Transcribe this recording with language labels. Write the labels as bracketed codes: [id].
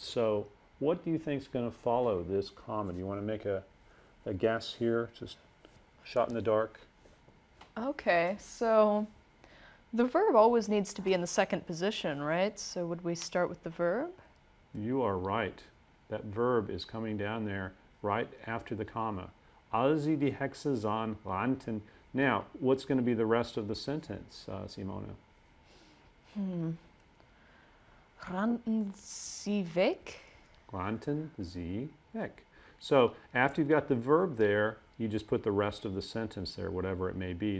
[en] So what do you think is going to follow this comma? Do you want to make a guess here, just shot in the dark? Okay, so the verb always needs to be in the second position, right? So would we start with the verb? You are right. That verb is coming down there right after the comma. [de] Als sie die Hexe sahen, rannten. Now, what's going to be the rest of the sentence, Simone? Rannten sie weg? Rannten sie weg. [en] So, after you've got the verb there, you just put the rest of the sentence there, whatever it may be.